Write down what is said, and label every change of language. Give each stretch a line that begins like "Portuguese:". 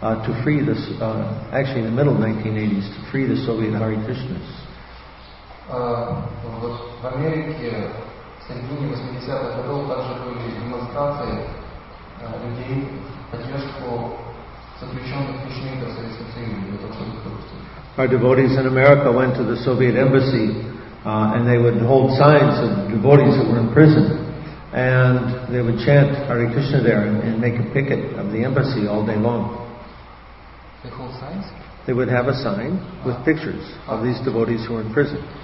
English: to free the, actually in the middle 1980s, to free the Soviet Hare Krishnas.
Russian: В Америке в середине 80-х годов также были демонстрации людей в поддержку заключенных мучеников Советского Союза.
English: Our devotees in America went to the Soviet embassy and they would hold signs of devotees who were in prison. And they would chant Hare Krishna there and make a picket of the embassy all day long. They hold signs? They would have a sign with pictures of these devotees who were in prison.